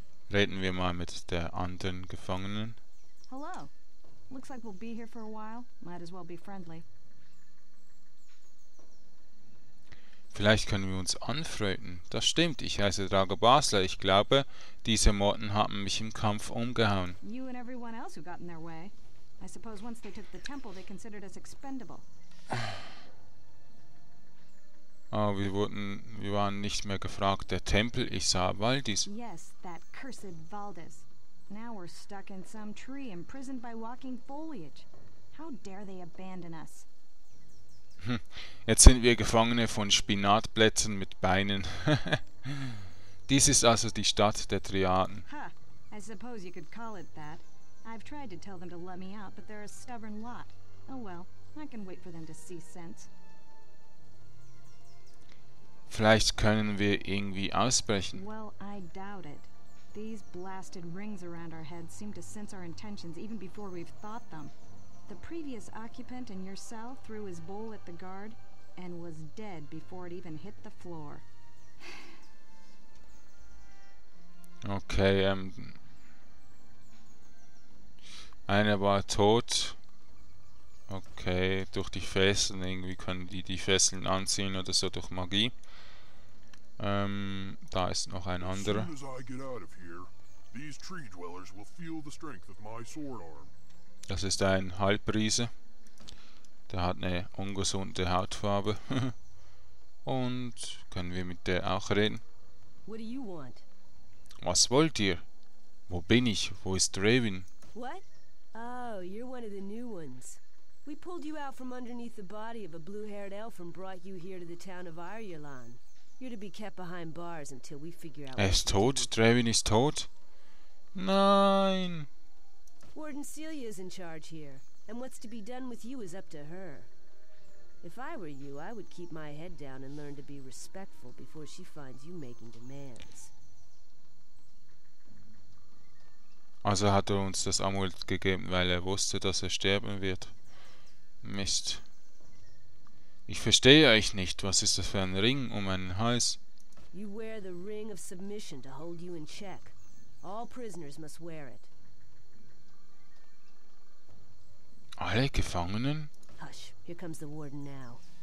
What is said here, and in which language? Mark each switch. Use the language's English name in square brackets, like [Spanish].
[German] Reden wir mal mit der anderen Gefangenen. Hallo. [English] Looks like we'll be here for a while. Might as well be friendly. [German] Vielleicht können wir uns anfreunden. Das stimmt, ich heiße Drago Basler. Ich glaube, diese Motten haben mich im Kampf umgehauen. [English] You and everyone else who got in their way. I suppose once they took the temple, they considered us expendable. [German] Oh, wir waren nicht mehr gefragt. Der Tempel, ich sah Waldis. [English] Yes, that cursed Valdis. Now we're stuck in some tree, imprisoned by walking foliage. How dare they abandon us? [German] Jetzt sind wir Gefangene von Spinatblättern mit Beinen. Dies ist also die Stadt der Dryaden. [English] Huh, I suppose you could call it that. I've tried to tell them to let me out, but they're a stubborn lot. Oh well, I can wait for them to see sense. [German] Vielleicht können wir irgendwie ausbrechen. [English] Well, I doubt it. These blasted rings around our heads seem to sense our intentions even before we've thought them. The previous occupant in your cell threw his bowl at the guard and was dead before it even hit the floor. [German] Okay, einer war tot. Okay, durch die Fesseln, irgendwie können die Fesseln anziehen oder so durch Magie. Da ist noch ein anderer. [English] As soon as I get out of here, these tree dwellers will feel the strength of my sword arm. [German] Das ist ein Halbriese. Der hat eine ungesunde Hautfarbe. Und können wir mit der auch reden? [English] What do you want? [German] Was wollt ihr? Wo bin ich? Wo ist Draven? [English] What? Oh, you're one of the new ones. We pulled you out from underneath the body of a blue-haired elf and brought you here to the town of Ayrjalan. You're to be kept behind bars until we figure out. [German] Er ist tot. Draven ist tot. Nein. [English] Warden Celia is in charge here, and what's to be done with you is up to her. If I were you, I would keep my head down and learn to be respectful before she finds you making demands. [German] Also hat er uns das Amulett gegeben, weil er wusste, dass er sterben wird. Mist. Ich verstehe euch nicht. Was ist das für ein Ring um einen Hals? [English] You wear the ring of submission to hold you in check. All prisoners must wear it. [German] Alle Gefangenen? [English] Hush, here comes the warden now.